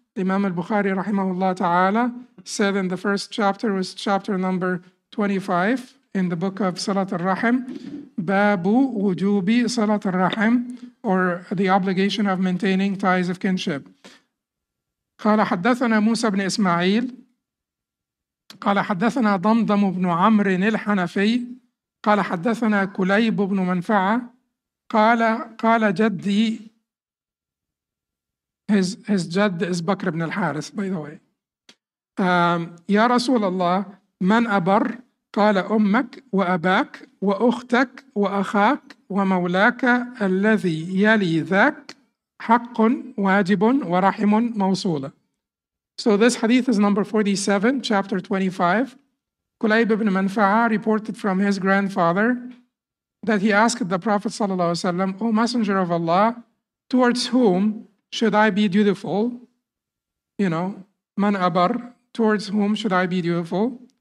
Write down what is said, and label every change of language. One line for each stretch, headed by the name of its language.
English: Imam al-Bukhari rahimahullah ta'ala said in the first chapter, was chapter number 25 in the book of Salat al-Rahim, Babu wujubi Salat al-Rahim, or the obligation of maintaining ties of kinship.
Arabic: Qala haddathana Musa ibn Ismail, قال حدثنا ضمضم بن عمرو الحنفي قال حدثنا كليب بن منفعة قال جدي
English: his
Arabic: جد
English: is
Arabic: بكر بن الحارث
English: by the way
Arabic: يا رسول الله من أبر قال أمك وأباك وأختك وأخاك ومولاك الذي يلي ذاك حق واجب ورحم موصولة.
English: So this hadith is number 47, chapter 25. Kulayb ibn Manfa'a reported from his grandfather that he asked the Prophet ﷺ, O Messenger of Allah, Towards whom should I be dutiful? You know, man abar, towards whom should I be dutiful?